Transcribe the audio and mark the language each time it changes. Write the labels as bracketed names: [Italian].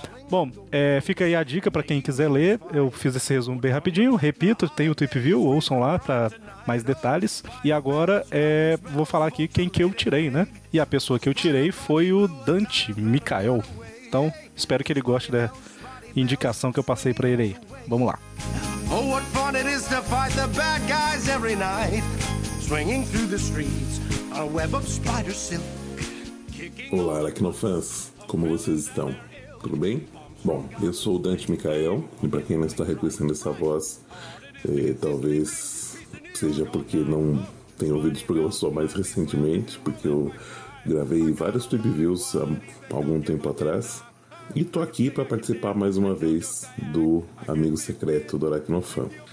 [Portuguese] Bom, fica aí a dica pra quem quiser ler. Eu fiz esse resumo bem rapidinho. Repito, tem o Tweep View, ouçam lá pra mais detalhes. E agora vou falar aqui quem que eu tirei, né? E a pessoa que eu tirei foi o Dante Mikael. Então, espero que ele goste da indicação que eu passei pra ele aí. Vamos lá. [English] Oh, what fun it is to fight the bad guys every night. Swinging through the streets, a web of spider silk. [Portuguese] Olá, Aracnofãs, como vocês estão? Tudo bem? Bom, eu sou o Dante Mikael, e para quem não está reconhecendo essa voz, talvez seja porque não tenho ouvido os programas só mais recentemente, porque eu gravei vários trip views há algum tempo atrás, e estou aqui para participar mais uma vez do Amigo Secreto do Aracnofã.